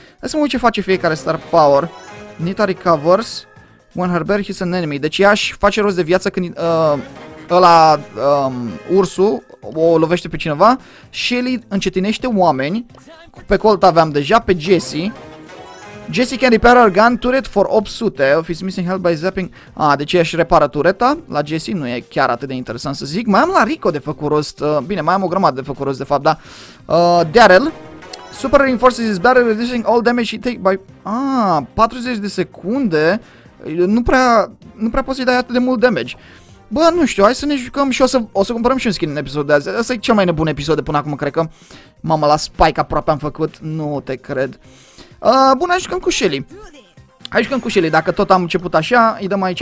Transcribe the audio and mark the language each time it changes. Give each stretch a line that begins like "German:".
Romanian: Hai să mă uit ce face fiecare star power.
English: Nita recovers when her bear hits an enemy.
Romanian: Deci ea își face rost de viață când... ăla, ursul, o lovește pe cineva. Shelly încetinește oameni. Pe Colt aveam deja, pe Jesse.
English: Jesse can repair our gun turret for 800. If he's missing health by zapping...
Romanian: Ah, deci ea își repară tureta la Jesse. Nu e chiar atât de interesant să zic. Mai am la Rico de făcut rost. Bine, mai am o grămadă de făcut rost, de fapt, da. Daryl.
English: Super reinforces his battery, reducing all damage he take by...
Romanian: Ah, 40 de secunde. Nu prea poți să-i dai atât de mult damage. Bă, nu știu, hai să ne jucăm și o să cumpărăm și un skin în episodul de azi. Asta e cel mai nebun episod de până acum, cred că. Mamă, la Spike aproape am făcut. Nu te cred. Bun, hai jucăm cu Shelly. Hai jucăm cu Shelly, dacă tot am început așa, îi dăm aici.